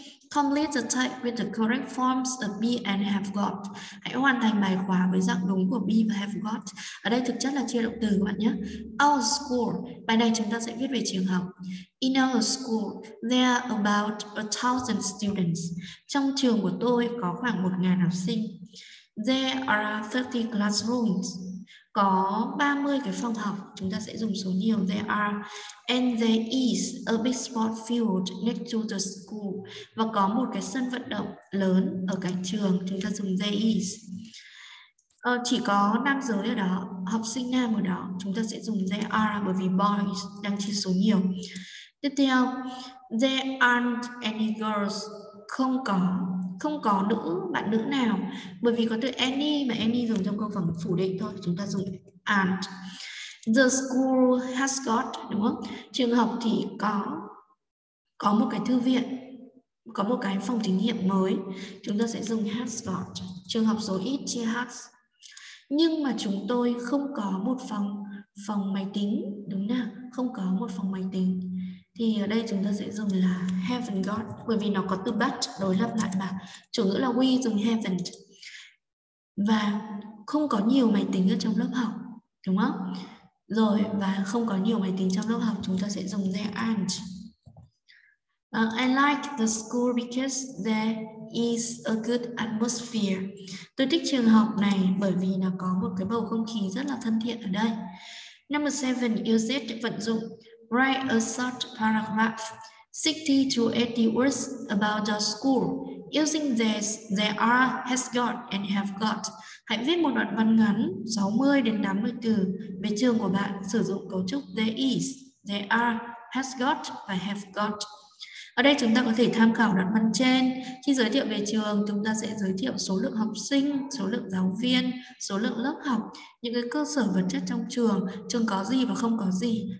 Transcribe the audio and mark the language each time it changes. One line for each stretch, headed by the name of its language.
English: Complete the type with the correct forms of be and have got.
Vietnamese: Hãy hoàn thành bài khóa với dạng đúng của be và have got. Ở đây thực chất là chia động từ các bạn nhé.
English: Our school.
Vietnamese: Bài này chúng ta sẽ viết về trường học.
English: In our school, there are about 1,000 students.
Vietnamese: Trong trường của tôi có khoảng 1,000 học sinh.
English: There are 30 classrooms.
Vietnamese: Có 30 cái phòng học. Chúng ta sẽ dùng số nhiều.
English: There are. And there is a big sport field next to the school.
Vietnamese: Và có một cái sân vận động lớn ở cạnh trường. Chúng ta dùng there is. Chỉ có nam giới ở đó, học sinh nam ở đó. Chúng ta sẽ dùng there are bởi vì boys đang chia số nhiều. Tiếp theo,
English: there aren't any girls.
Vietnamese: Không có. Không có nữ, bạn nữ nào. Bởi vì có từ any mà any dùng trong câu phẩm phủ định thôi. Chúng ta dùng aren't.
English: The school has got,
Vietnamese: đúng không? Trường học thì có một cái thư viện, có một cái phòng thí nghiệm mới. Chúng ta sẽ dùng has got. Trường học số ít chia has. Nhưng mà chúng tôi không có một phòng máy tính, đúng nào? Không có một phòng máy tính. Thì ở đây chúng ta sẽ dùng là haven't got, bởi vì nó có từ but đối lập lại mà. Chủ ngữ là we dùng haven't. Và không có nhiều máy tính ở trong lớp học, đúng không? Rồi, và không có nhiều máy tính trong lớp học, chúng ta sẽ dùng there aren't.
English: I like the school because there is a good atmosphere.
Vietnamese: Tôi thích trường học này bởi vì nó có một cái bầu không khí rất là thân thiện ở đây.
English: Number 7, use it,
Vietnamese: vận dụng.
English: Write a short paragraph, 60 to 80 words about the school, using this, there are, has got, and have got.
Vietnamese: Hãy viết một đoạn văn ngắn 60 đến 80 từ về trường của bạn sử dụng cấu trúc there is, there are, has got, và have got. Ở đây chúng ta có thể tham khảo đoạn văn trên. Khi giới thiệu về trường, chúng ta sẽ giới thiệu số lượng học sinh, số lượng giáo viên, số lượng lớp học, những cái cơ sở vật chất trong trường, trường có gì và không có gì.